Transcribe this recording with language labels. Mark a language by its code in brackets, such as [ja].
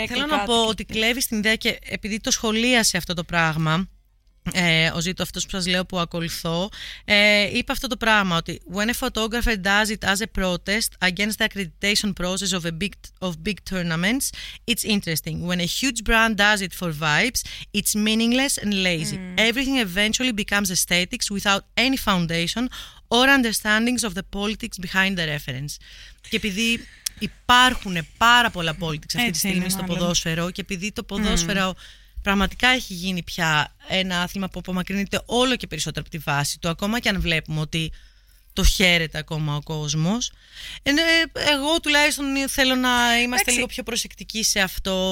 [el] θέλω να πω ότι κλέβει στην ιδέα και επειδή το σχολίασε αυτό το πράγμα, ο Ζήτο αυτός που σας λέω που ακολουθώ, είπε αυτό το πράγμα, ότι [en] when a photographer does it as a protest against the accreditation process of big tournaments, it's interesting. When a huge brand does it for vibes, it's meaningless and lazy. Everything eventually becomes aesthetics without any foundation or understandings of the politics behind the reference. [el] Και επειδή υπάρχουν πάρα πολλά politics αυτή τη στιγμή στο ποδόσφαιρο και επειδή το ποδόσφαιρο πραγματικά έχει γίνει πια ένα άθλημα που απομακρύνεται όλο και περισσότερο από τη βάση του, ακόμα και αν βλέπουμε ότι το χαίρεται ακόμα ο κόσμος. Εγώ τουλάχιστον θέλω να είμαστε λίγο πιο προσεκτικοί σε αυτό.